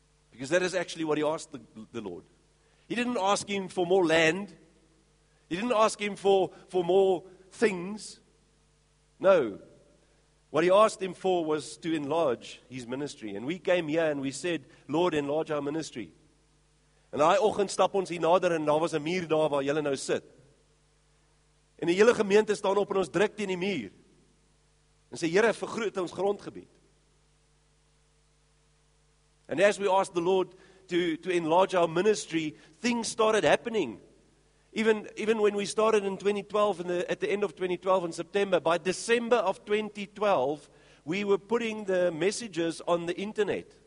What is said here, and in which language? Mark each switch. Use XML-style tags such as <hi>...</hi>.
<en>Because that is actually what he asked the Lord. He didn't ask him for more land. He didn't ask him for more things. No. What he asked him for was to enlarge his ministry. And we came here and we said, Lord, enlarge our ministry.</en> <af>En daai oggend stap ons hier nader en daar was 'n muur daar waar julle nou sit. En die hele gemeente staan op en ons druk teen die muur. En sê, Here, vergroot ons grondgebied.</af> <en>And as we asked the Lord to enlarge our ministry, things started happening. Even when we started in 2012, at the end of 2012 in September, by December of 2012, we were putting the messages on the internet.</en>